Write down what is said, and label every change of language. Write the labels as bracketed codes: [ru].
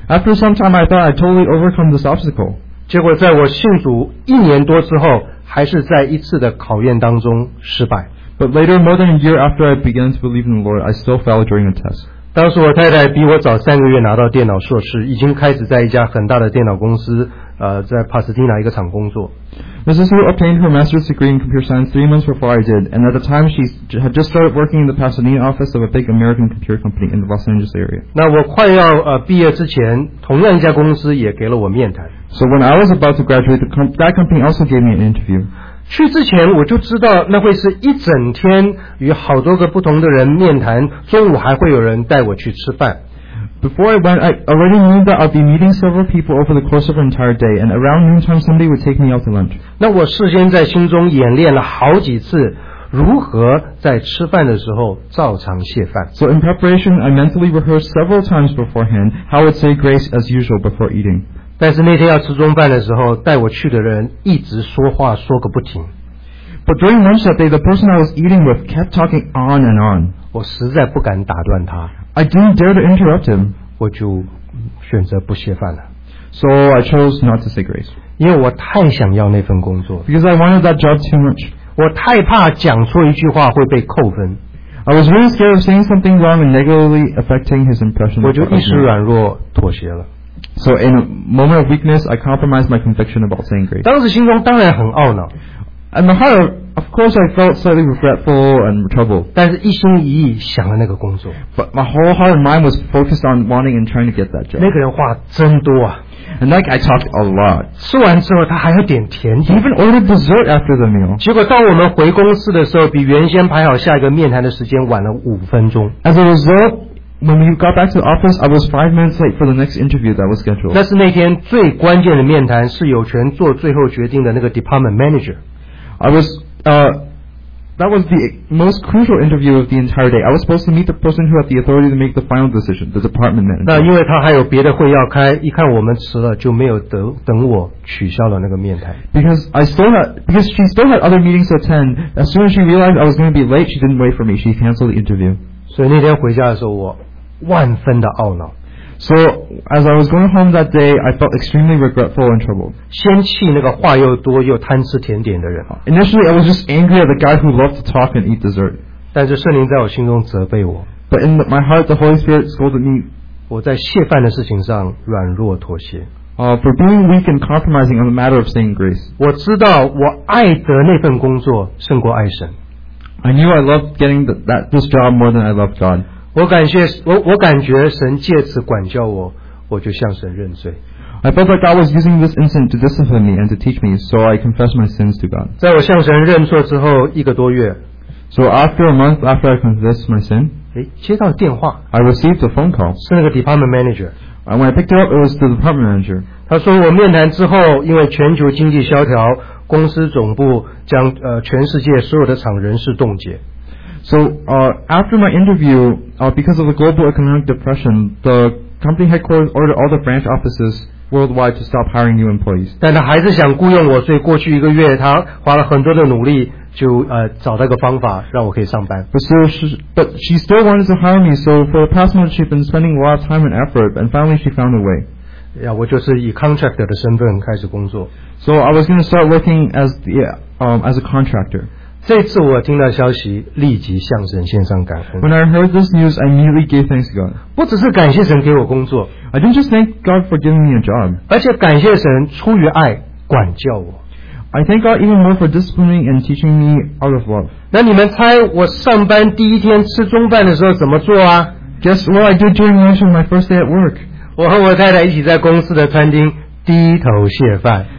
[en] After some time, I thought I totally overcome this obstacle. [zh] 结果在我信主一年多之后，还是在一次的考验当中失败。 [en] But later, more than a year after I began to believe in the Lord, I still fell during a test. [zh] 当时我太太比我早三个月拿到电脑硕士，已经开始在一家很大的电脑公司，在帕斯蒂纳一个厂工作。 [en] My sister obtained her master's degree in computer science 3 months before I did, and at the time she had just started working in the Pasadena office of a big American computer company in the Los Angeles area. [zh] 那我快要毕业之前，同样一家公司也给了我面谈。 [en] So when I was about to graduate, that company also gave me an interview. [zh] 去之前我就知道那会是一整天与好多个不同的人面谈，中午还会有人带我去吃饭。 [en] Before I went, I already knew that I'd be meeting several people over the course of an entire day, and around noon time, somebody would take me out to lunch. [zh] 那我事先在心中演练了好几次如何在吃饭的时候照常谢饭。 [en] So in preparation, I mentally rehearsed several times beforehand how I'd say grace as usual before eating. [zh] 但是那天要吃中饭的时候，带我去的人一直说话说个不停。 [en] But during lunch that day, the person I was eating with kept talking on and on. [zh] 我实在不敢打断他。 [en] I didn't dare to interrupt him. [zh] 我就选择不谢饭了。 [en] So I chose not to say grace. [zh] 因为我太想要那份工作。 [en] Because I wanted that job too much. [zh] 我太怕讲错一句话会被扣分。 [en] I was really scared of saying something wrong and negatively affecting his impression of me. [zh] 我就一时软弱妥协了。 [en] So in a moment of weakness, I compromised my conviction about saying grace. [zh] 当时心中当然很懊恼。 [en] And my heart, of course, I felt slightly regretful and troubled. [zh] 但是一心一意想了那个工作。 [en] But my whole heart and mind was focused on wanting and trying to get that job. [zh] 那个人话真多啊。 [en] And that guy talked a lot. [zh] 吃完之后他还要点甜点。 [en] He even ordered dessert after the meal. [zh] 结果到我们回公司的时候，比原先排好下一个面谈的时间晚了5分钟。 [en] As a result,When we got back to the office, I was 5 minutes late for the next interview that was scheduled. [zh] 那是那天最关键的面谈，是有权做最后决定的那个 [en] department manager. That was the most crucial interview of the entire day. I was supposed to meet the person who had the authority to make the final decision, the department manager. [zh] 那因为他还有别的会要开，一看我们迟了，就没有等我取消了那个面谈。 [en] Because she still had other meetings to attend, as soon as she realized I was going to be late, she didn't wait for me. She canceled the interview. [zh] 所以那天回家的时候，我万分的懊恼。 [en] So as I was going home that day, I felt extremely regretful and troubled. [zh] 先气那个话又多又贪吃甜点的人。 [en] Initially, I was just angry at the guy who loved to talk and eat dessert. [zh] 但是圣灵在我心中责备我。 [en] But in my heart, the Holy Spirit scolded me. [zh] 我在谢饭的事情上软弱妥协。 [en] For being weak and compromising on the matter of saying grace. [zh] 我知道我爱得那份工作胜过爱神。 [en] I knew I loved getting this job more than I loved God. [zh] 我感觉神借此管教我，我就向神认罪。 [en] I felt that God was using this incident to discipline me and to teach me, so I confessed my sins to God. [zh] 在我向神认错之后一个多月。 [en] So after a month after I confessed my sin, [zh] 接到电话。 [en] I received a phone call. [zh] 是那个 [en] department manager. And when I picked it up, it was the department manager. [zh] 他说我面谈之后，因为全球经济萧条。公司总部将全世界所有的厂人事冻结。 [en] So after my interview, because of the global economic depression, the company headquarters ordered all the branch offices worldwide to stop hiring new employees. [zh] 但他还是想雇佣我，所以过去一个月他花了很多的努力，就找到一个方法让我可以上班。 [en] But she still wanted to hire me. So for the past month, she's been spending a lot of time and effort, and finally she found a way. Yeah, [zh] 我就是以 contractor 的身份开始工作。 [en] So I was going to start working as a contractor. [zh] 这次我听到消息，立即向神献上感恩。 [en] When I heard this news, I immediately gave thanks to God. [zh] 不只是感谢神给我工作 [en] ，I didn't just thank God for giving me a job. [zh] 而且感谢神出于爱管教我。 [en] I thank God even more for disciplining and teaching me out of love. [zh] 那你们猜我上班第一天吃中饭的时候怎么做啊 [en] ？Guess what I did during lunch on my first day at work. [zh] 我和我太太一起在公司的餐厅低头谢饭。